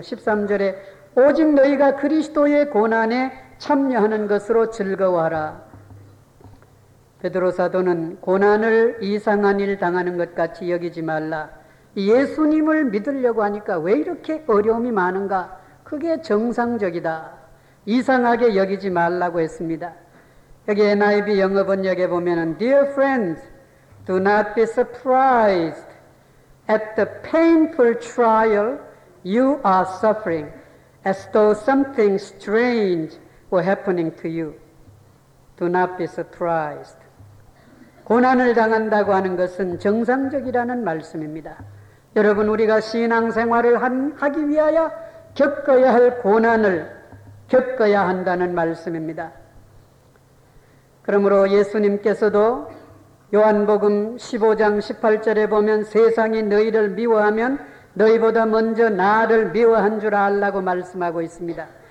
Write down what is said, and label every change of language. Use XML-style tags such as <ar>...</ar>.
<ko>13절에 오직 너희가 그리스도의 고난에 참여하는 것으로 즐거워하라. 베드로 사도는 고난을 이상한 일 당하는 것 같이 여기지 말라, 예수님을 믿으려고 하니까 왜 이렇게 어려움이 많은가, 그게 정상적이다, 이상하게 여기지 말라고 했습니다. 여기 NIV 영어 번역에 보면은</ko> <en>Dear friends, do not be surprised at the painful trial you are suffering as though something strange were happening to you. Do not be surprised.</en> <ko>고난을 당한다고 하는 것은 정상적이라는 말씀입니다. 여러분, 우리가 신앙생활을 하기 위하여 겪어야 할 고난을 겪어야 한다는 말씀입니다. 그러므로 예수님께서도 요한복음 15장 18절에 보면 세상이 너희를 미워하면 너희보다 먼저 나를 미워한 줄 알라고 말씀하고 있습니다.</ko>